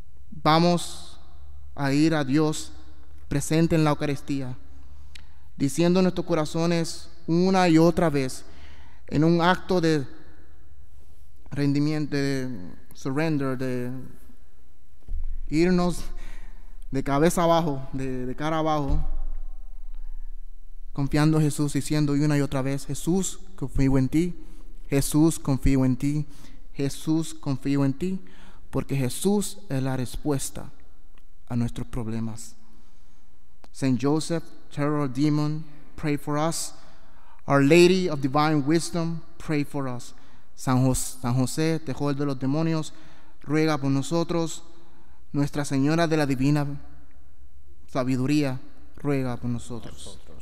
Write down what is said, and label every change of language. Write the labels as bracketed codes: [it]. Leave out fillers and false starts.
[es] Vamos a ir a Dios presente en la Eucaristía, diciendo en nuestros corazones una y otra vez, en un acto de rendimiento, de surrender, de irnos de cabeza abajo, de cara abajo, confiando en Jesús, diciendo una y otra vez, Jesús, confío en ti. Jesús, confío en ti. Jesús, confío en ti. Porque Jesús es la respuesta a nuestros problemas. [en] Saint Joseph, terror demon, pray for us. Our Lady of Divine Wisdom, pray for us. [es] San José, terror de los demonios, ruega por nosotros. Nuestra Señora de la Divina Sabiduría, ruega por nosotros.